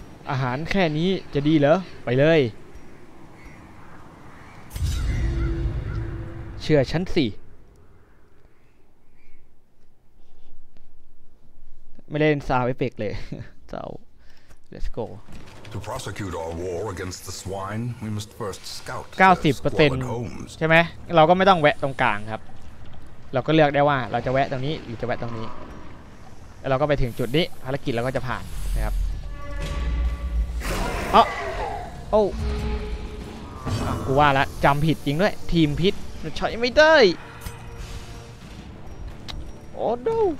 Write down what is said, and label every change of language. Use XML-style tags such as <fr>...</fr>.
<th>อาหารแค่นี้จะดีเหรอไปเลยเชื่อฉันสิไม่เล่นซาวด์เอฟเฟคเลยเจ้า</th> <en>Let's go. To prosecute our war against the swine, we must first scout.</en> <th>90% ใช่ไหมเราก็ไม่ต้องแวะตรงกลางครับเราก็เลือกได้ว่าเราจะแวะตรงนี้หรือจะแวะตรงนี้แล้วเราก็ไปถึงจุดนี้ภารกิจเราก็จะผ่านนะครับเออโอ้กูว่าละจำผิดจริงด้วยทีมผิดใช้ไม่ได้โอ้ดู</th>